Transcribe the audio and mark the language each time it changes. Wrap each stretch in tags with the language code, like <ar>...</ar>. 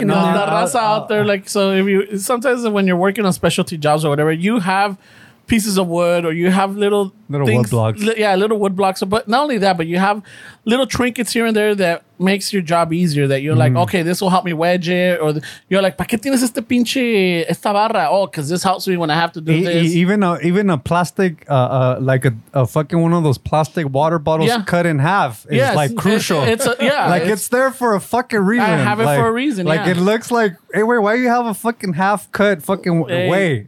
<en>The raza out there, like, so if you sometimes when you're working on specialty jobs or whatever, you have pieces of wood or you have little things, wood blocks. Little wood blocks. But not only that, but you have little trinkets here and there that makes your job easier, that you're like, okay, this will help me wedge it. Or you're like,</en> <es>¿pa qué tienes este pinche esta barra?</es> <en>Oh, because this helps me when I have to do this. Even a plastic, like a fucking one of those plastic water bottles cut in half is like crucial. It's there for a fucking reason. I have it like, for a reason. Like it looks like, hey, wait, why do you have a fucking half cut fucking way?</en>